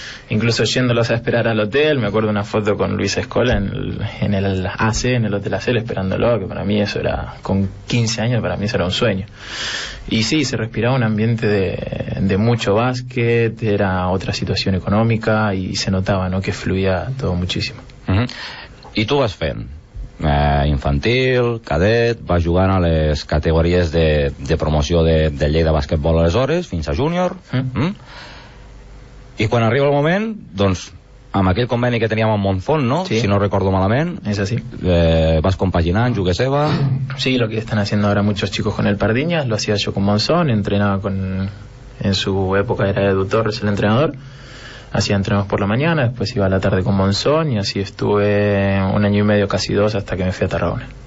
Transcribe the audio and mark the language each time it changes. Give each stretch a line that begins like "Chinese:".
Spanish: Incluso yéndolos a esperar al hotel, me acuerdo una foto con Luis Escola en el AC, en el Hotel AC, esperándolo, que para mí eso era, con 15 años, para mí eso era un sueño. Y sí, se respiraba un ambiente de mucho básquet, era otra situación económica y se notaba, ¿no?, que fluía todo muchísimo.
Catalan: Uh-huh. ¿Y tú vas fent? Infantil, cadet, vas jugant a les categories de promoció de Lleida Bàsquetbol aleshores, fins a júnior... Uh-huh. Uh-huh. I quan arriba el moment, doncs, amb aquell conveni que teníem amb Monzón, no? Sí. Si no recordo malament. És així. Vas compaginant, jugues Eva.
Spanish: Sí, lo que están haciendo ahora muchos chicos con el Pardiñas, lo hacía yo con Monzón, entrenaba en su época era Edu Torres el entrenador, hacía entrenos por la mañana, después iba a la tarde con Monzón, y así estuve un año y medio, casi dos, hasta que me fui a Tarragona.